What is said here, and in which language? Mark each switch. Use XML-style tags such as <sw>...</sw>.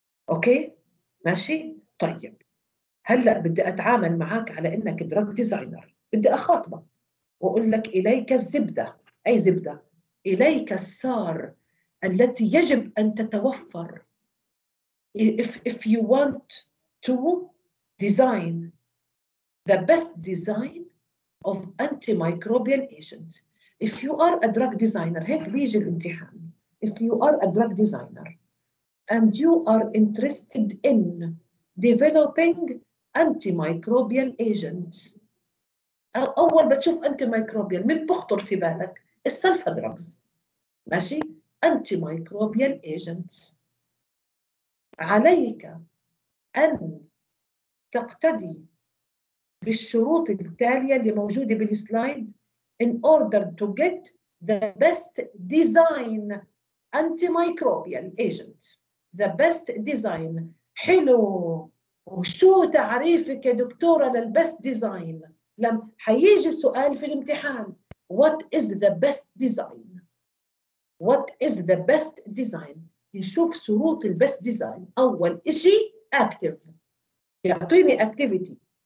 <ar>أوكي؟ ماشي؟ طيب هلأ بدي أتعامل معاك على أنك دراج ديزاينر، بدي أخاطبك وأقول لك إليك الزبدة. أي زبدة؟ إليك السار التي يجب أن تتوفر.</ar> <en>If you want to design the best design of antimicrobial agent, if you are a drug designer,</en> <ar>هيك بيجي الامتحان.</ar> <en>If you are a drug designer and you are interested in developing antimicrobial agent,</en> <ar>أول بتشوف</ar> <en>antimicrobial</en> <ar>مين بخطر في بالك؟ السلفا دراجز. ماشي؟</ar> <en>antimicrobial agent.</en> <ar>عليك أن تقتدي بالشروط التالية اللي موجودة بالسلايد</ar> <en>in order to get the best design antimicrobial agent. The best design.</en> <ar>حلو. وشو تعريفك يا دكتورة للبست ديزاين؟ لم حيجي سؤال في الامتحان.</ar> <en>What is the best design? What is the best design?</en> <ar>نشوف شروط البست ديزاين. أول إشي أكتف، يعطيني أكتيفيتي.</ar>